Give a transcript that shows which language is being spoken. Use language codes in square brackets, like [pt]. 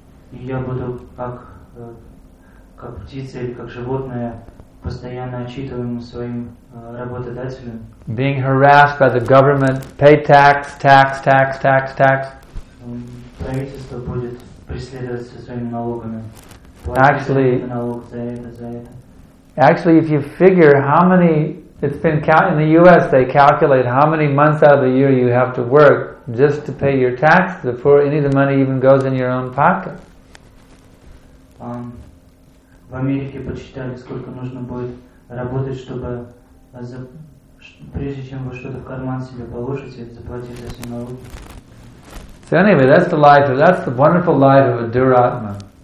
[ru] Я буду как птица или как животное, постоянно отчитываем своим работодателем. [en] Being harassed by the government, pay tax. [ru] Правительство будет преследоваться своими налогами. [en] Actually, if you figure how many, it's been in the U.S. they calculate how many months out of the year you have to work just to pay your taxes before any of the money even goes in your own pocket. [ru] В Америке подсчитали, сколько нужно будет работать, чтобы прежде чем вы что-то в карман себе положите, заплатить за все налоги. [en] So anyway, that's the wonderful life of a Duratma.